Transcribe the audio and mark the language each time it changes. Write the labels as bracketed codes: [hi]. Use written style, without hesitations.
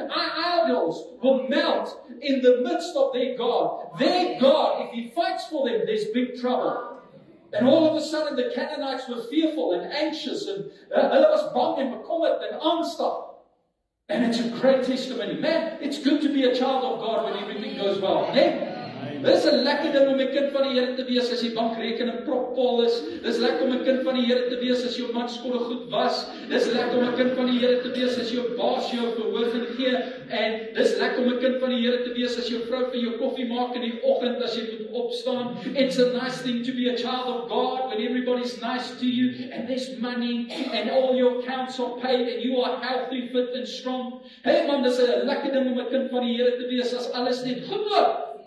[en] Our idols will melt in the midst of their God. Their God, if he fights for them, there's big trouble. And all of a sudden, the Canaanites were fearful and anxious. And there was bombing, bekommerd, and angst. And it's a great testimony. Man, it's good to be a child of God when everything goes well. Amen. [af] Dis 'n lekker ding om 'n kind van die Here te wees as jy bankrekening propvol is. Dis lekker om 'n kind van die Here te wees as jou man skoon goed was. Dis lekker om 'n kind van die Here te wees as jou baas jou gehoor gee. En dis lekker om 'n kind van die Here te wees as jou vrou vir jou koffie maak in die oggend as jy moet opstaan. [en] It's a nice thing to be a child of God when everybody's nice to you and there's money and all your accounts are paid and you are healthy, fit and strong. [af] Hey man, dis 'n lekker ding om 'n kind van die Here te wees as alles net goed loop.